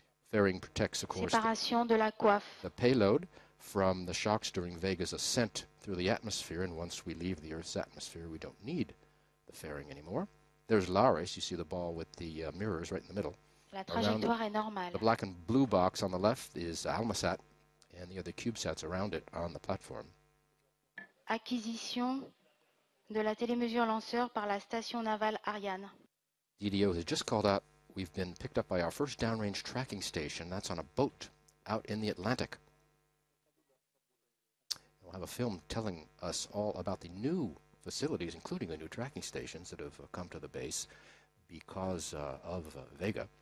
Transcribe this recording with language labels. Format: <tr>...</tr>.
<en>Fairing protects, of course, the payload from the shocks during Vega's ascent through the atmosphere, and once we leave the Earth's atmosphere, we don't need the fairing anymore. There's Laris, you see the ball with the mirrors right in the middle.</en> <fr>La trajectoire est normale.</fr> <en>The black and blue box on the left is Almasat, and the other CubeSats around it on the platform.</en> <fr>Acquisition de la télémesure lanceur par la station navale Ariane.</fr> <en>DDO has just called out, we've been picked up by our first downrange tracking station. That's on a boat out in the Atlantic. We'll have a film telling us all about the new facilities, including the new tracking stations that have come to the base because of Vega.</en>